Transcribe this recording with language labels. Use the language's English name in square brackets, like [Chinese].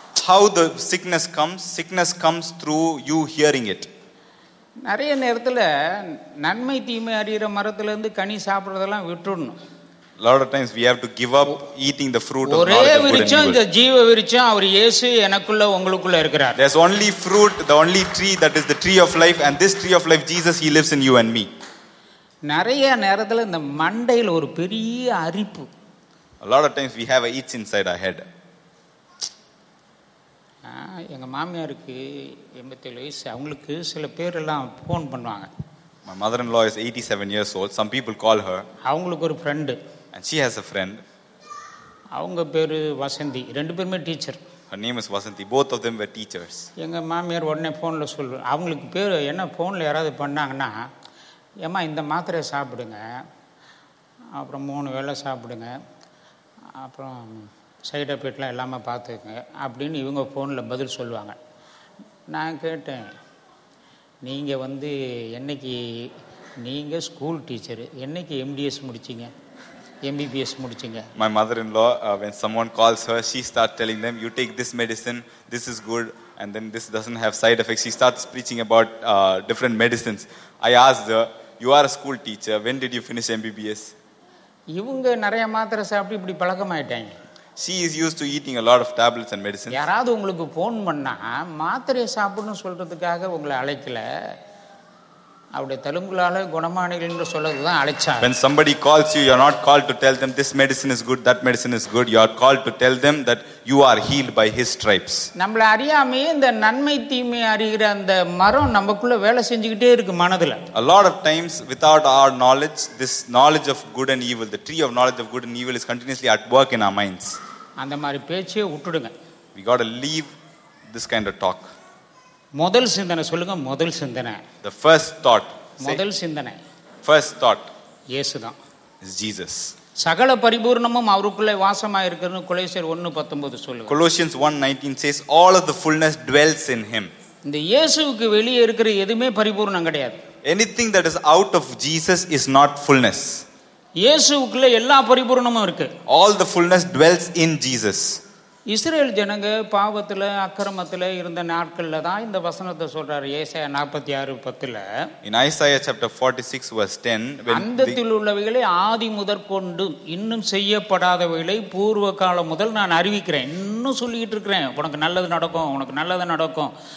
[English] How the sickness comes? Sickness comes through you hearing it. [Tamil] நிறைய நேரத்துல நன்மை தீமை அறியற மரத்துல இருந்து கனி சாப்பிடுறதெல்லாம் விட்டுடணும். [English] Lot of times we have to give up eating the fruit of the tree. [Tamil] இந்த ஜீவ விருட்சம் அவர் இயேசு எனக்குள்ள உங்களுக்குள்ள இருக்கிறார். [English] There's only fruit, the only tree that is the tree of life, and this tree of life Jesus, he lives in you and me. [Tamil] நிறைய நேரத்துல இந்த மண்டையில ஒரு பெரிய அரிப்பு. [English] A lot of times we have a itch inside our head. [Tamil] எங்க மாமியாருக்கு 87 அவங்களுக்கு சில பேர் எல்லாம் போன் பண்ணுவாங்க. [English] My mother-in-law is 87 years old. Some people call her. [Tamil] அவங்களுக்கு ஒரு friend. [English] And she has a friend. [Tamil] அவங்க பேரு வசந்தி. ரெண்டு பேருமே teacher. [English] Her name is Vasanthi. Both of them were teachers. [Tamil] எங்க மாமியார் உடனே போன்ல சொல்ற அவங்களுக்கு பேர் என்ன போன்ல யாராவது பண்ணாங்கன்னா, ஏம்மா இந்த மாத்திரையை சாப்பிடுங்க, அப்புறம் 3 வேளை சாப்பிடுங்க, அப்புறம் சைட் எஃபெக்ட்லாம் இல்லாமல் பார்த்துக்குங்க அப்படின்னு இவங்க ஃபோனில் பதில் சொல்லுவாங்க. நான் கேட்டேன், நீங்கள் வந்து என்னைக்கு, நீங்கள் ஸ்கூல் டீச்சரு, என்னைக்கு MTS முடிச்சிங்க, MBBS முடிச்சிங்க? [English] My mother in law, when someone calls her, she start telling them, you take this medicine, this is good, and then this doesn't have side effects. She starts preaching about different medicines. I ask the, you are a school teacher, when did you finish MBBS? [Tamil] இவங்க நிறைய மாத்திரை சாப்பிட்டு இப்படி பழக்கமாயிட்டாங்க. [English] She is used to eating a lot of tablets and medicines. [Tamil] யாராவது உங்களுக்கு phone பண்ணா மாத்திரை சாப்பிடணும் சொல்றதுக்காக உங்களை அழைக்கல, அவருடைய தழும்புகளால குணமானீர்கள் என்று சொல்றது தான் அழைச்சாங்க. [English] When somebody calls you, you are not called to tell them this medicine is good, that medicine is good. You are called to tell them that you are healed by his stripes. [Tamil] நம்மள அறியாமே இந்த நன்மை தீமை அறிகிற அந்த மரம் நமக்குள்ள வேலை செஞ்சுக்கிட்டே இருக்கு மனதுல. [English] A lot of times without our knowledge, this knowledge of good and evil, the tree of knowledge of good and evil is continuously at work in our minds. [Tamil] அந்த மாதிரி பேச்சே விட்டுடுங்க. [English] We got to leave this kind of talk. [Tamil] முதல் சிந்தனை சொல்லுங்க, முதல் சிந்தனை. [English] The first thought. [Tamil] முதல் சிந்தனை. [English] First thought. [Tamil] இயேசுதான். [English] Jesus. [Tamil] சகல பரிபூர்ணமும் அவருக்குள்ளே வாசமா இருக்கிறது. கொலோசியர் 1:19 சொல்லுங்க. [English] Colossians 1:19 says all of the fullness dwells in him. [Tamil] இந்த இயேசுவுக்கு வெளியே இருக்கிற எதுமே பரிபூர்ணம் கிடையாது. [English] Anything that is out of Jesus is not fullness. [Tamil] இயேசுவுக்குள்ள எல்லா பரிபூர்ணமும் இருக்கு. [English] All the fullness dwells in Jesus. [Tamil] Israel ஜனங்க பாவத்துல அக்கிரமத்துல இருந்த நாட்கள்ல தான் இந்த வசனத்தை சொல்றாரு. ஏசாயா 46:10 [English] In Isaiah chapter 46 verse 10 [Tamil] when அந்தத்தில் உள்ளவைகளை ஆதி முதற் கொண்டு இன்னும் செய்யப்படாதவைகளை பூர்வ காலம் முதல் நான் அறிவிக்கிறேன், இன்னும் சொல்லிட்டு இருக்கிறேன், உனக்கு நல்லது நடக்கும், உனக்கு நல்லது நடக்கும்.